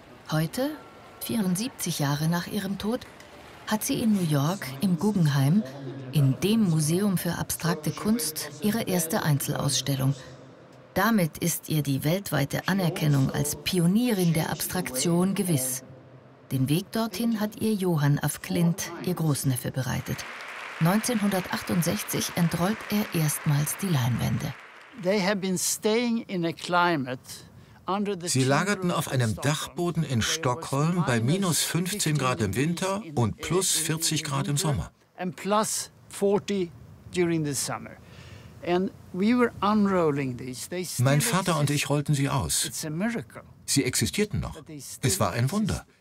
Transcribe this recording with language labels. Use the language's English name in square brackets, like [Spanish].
[German] Heute, 74 Jahre nach ihrem Tod, hat sie in New York, im Guggenheim, in dem Museum für abstrakte Kunst, ihre erste Einzelausstellung. Damit ist ihr die weltweite Anerkennung als Pionierin der Abstraktion gewiss. Den Weg dorthin hat ihr Johann af Klint, ihr Großneffe, bereitet. 1968 entrollt er erstmals die Leinwände. [English] They have been staying in a climate. [German] Sie lagerten auf einem Dachboden in Stockholm bei minus 15 Grad im Winter und plus 40 Grad im Sommer. Mein Vater und ich rollten sie aus. Sie existierten noch. Es war ein Wunder.